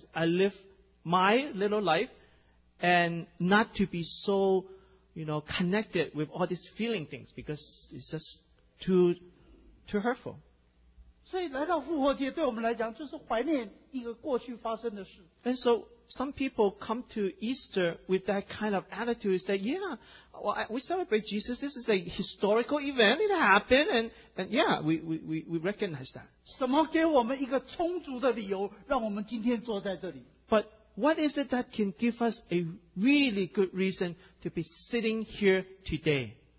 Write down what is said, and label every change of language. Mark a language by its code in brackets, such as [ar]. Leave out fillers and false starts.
[en] I live my little life and not to be so, you know, connected with all these feeling things because it's just too hurtful. [zh] 所以来到复活节对我们来讲就是怀念一个过去发生的事。 [en] And so some people come to Easter with that kind of attitude, say, yeah, well, we celebrate Jesus, this is a historical event, it happened, and yeah, we recognize that. [zh] 什么给我们一个充足的理由让我们今天坐在这里? [en] But what is it that can give us a really good reason to be sitting here today?